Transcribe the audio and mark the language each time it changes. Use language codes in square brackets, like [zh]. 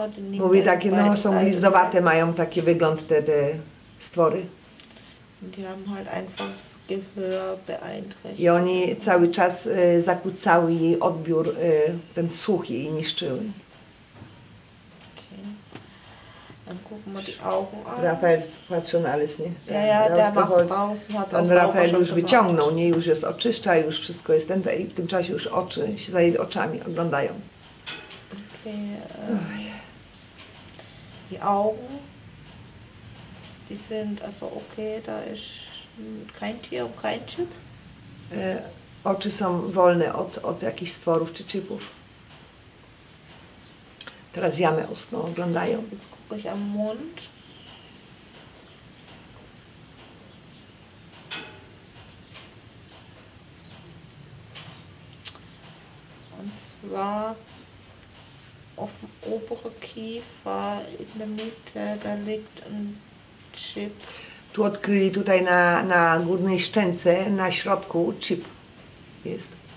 [pl] Mówi, takie, no są gwizdowate, mają taki wygląd te stwory. [de] Die haben halt einfach das Gehör beeinträchtigt. [pl] I oni cały czas zakłócały jej odbiór, ten słuch jej niszczyły. Okay. [de] Dann gucken wir die Augen an. [pl] Rafael patrzy na Alice, nie? [de] Ja, der macht raus. [pl] Pan Rafael już wyciągnął, nie? Już jest oczyszcza, już wszystko jest ten, i w tym czasie już oczy się za jej oczami oglądają. [de] Okay. Die Augen. Die sind also okay, da ist kein Tier und kein Chip. [pl] Oczy są wolne od jakichś stworów czy chipów. Teraz jamy ustną, oglądają. [de] Jetzt gucke ich am Mund. Und zwar auf dem oberen Kiefer in der Mitte, da liegt ein chip. [pl] Tu odkryli tutaj na górnej szczęce, na środku chip jest.